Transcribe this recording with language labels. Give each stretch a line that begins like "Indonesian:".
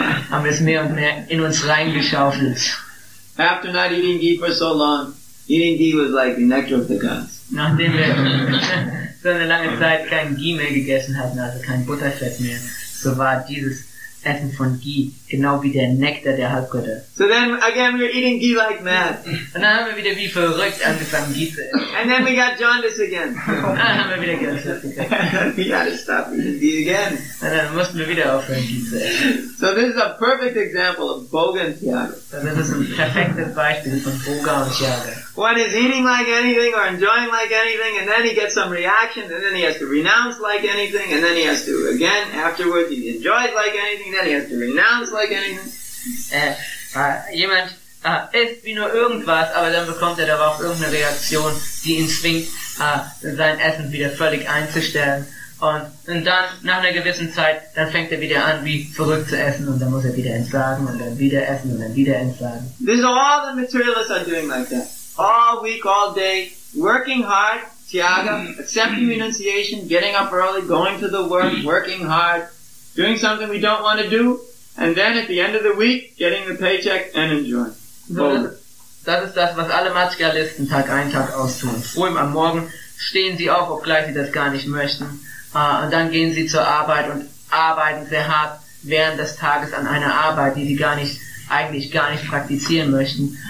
German: Haben wir es mehr und mehr in uns reingeschaufelt.
English: After not eating ghee for so long, eating ghee was like the nectar of the gods.
German: Nachdem wir so eine lange Zeit kein Ghee mehr gegessen hatten, also kein Butterfett mehr, so war dieses Essen von Ghee genau wie der Nektar der Halbgötter.
English: So then again we're eating ghee like mad.
German: Und dann haben wir wieder wie verrückt angefangen Ghee zu essen.
English: And then we got jaundice again.
German: Dann haben wir wieder Gelbsucht gekriegt.
English: We gotta stop eating ghee again.
German: Und dann mussten wir wieder aufhören Ghee zu essen.
English: So this is a perfect example of Bogen Tiago.
German: Das ist ein perfektes Beispiel von Bogen Tiago.
English: One is eating like anything or enjoying like anything, and then he gets some reaction, and then he has to renounce like anything, and then he has to, again, afterwards, he enjoys like anything, then he has to renounce like anything.
German: Jemand isst wie nur irgendwas, aber dann bekommt er darauf irgendeine Reaktion, die ihn zwingt, sein Essen wieder völlig einzustellen. Und dann, nach einer gewissen Zeit, dann fängt er wieder an, wie verrückt zu essen, und dann muss er wieder entsagen, und dann wieder essen, und dann wieder entsagen.
English: These are all the materialists are doing like that. All week, all day, working hard, tyaga, accepting renunciation, getting up early, going to the work, working hard, doing something we don't want to do, and then at the end of the week, getting the paycheck and enjoying.
German: Das ist das, was alle Materialisten Tag ein, Tag aus tun. Früh am Morgen stehen sie auf, obgleich sie das gar nicht möchten, und dann gehen sie zur Arbeit und arbeiten sehr hart während des Tages an einer Arbeit, die sie gar nicht, eigentlich gar nicht praktizieren möchten.